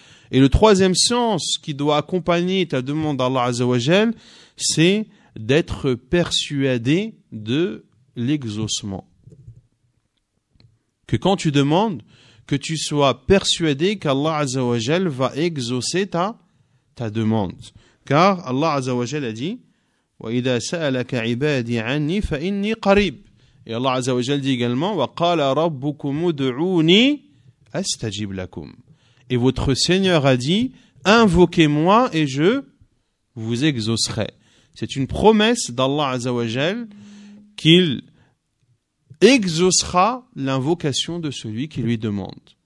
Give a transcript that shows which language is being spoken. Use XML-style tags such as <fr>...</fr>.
<fr>Et le troisième sens qui doit accompagner ta demande à Allah Azzawajal, c'est d'être persuadé de l'exaucement. Que quand tu demandes, que tu sois persuadé qu'Allah Azzawajal va exaucer ta demande. Car Allah Azzawajal a dit</fr> <ar>وَإِذَا سَأَلَكَ عِبَادِي عَنِّي فَإِنِّي قَرِيبٌ.</ar> <fr>Et Allah Azzawajal dit également</fr> <ar>وَقَالَ رَبُّكُمُ دُعُونِي أَسْتَجِبْ لَكُمْ.</ar> <fr>Et votre Seigneur a dit invoquez-moi et je vous exaucerai. C'est une promesse d'Allah Azzawajal qu'il exaucera l'invocation de celui qui lui demande.</fr>